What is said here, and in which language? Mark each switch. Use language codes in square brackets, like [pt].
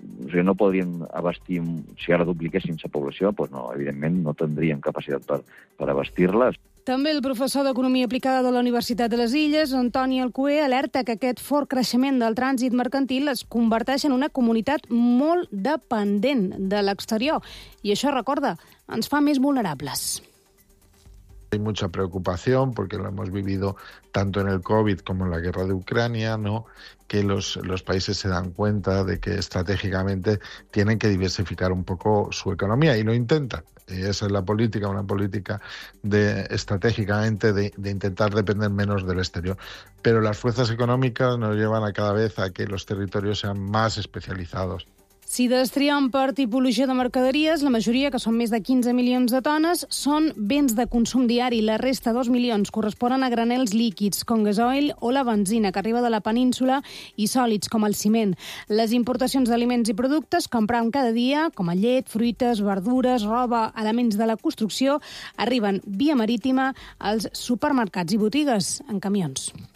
[ca] O sigui, no podríem abastir, si ara dupliquessin la població, doncs no, evidentment no tindríem capacitat per abastir-les. També el professor d'Economia Aplicada de la Universitat de les Illes, Antoni Alcué, alerta que aquest fort creixement del trànsit mercantil es converteix en una comunitat molt dependent de l'exterior. I això, recorda, ens fa més vulnerables. [es] Hay mucha preocupación porque lo hemos vivido tanto en el COVID como en la guerra de Ucrania, ¿no? Que los países se dan cuenta de que estratégicamente tienen que diversificar un poco su economía y lo intentan. Esa es la política, una política de estratégicamente de intentar depender menos del exterior. Pero las fuerzas económicas nos llevan a cada vez a que los territorios sean más especializados. [ca] Si destriem per tipologia de mercaderies, la majoria, que són més de 15 milions de tones, són béns de consum diari. La resta, 2 milions, corresponen a granels líquids, com gasoil o la benzina, que arriba de la península, i sòlids, com el ciment. Les importacions d'aliments i productes que compram cada dia, com a llet, fruites, verdures, roba, elements de la construcció, arriben via marítima als supermercats i botigues en camions.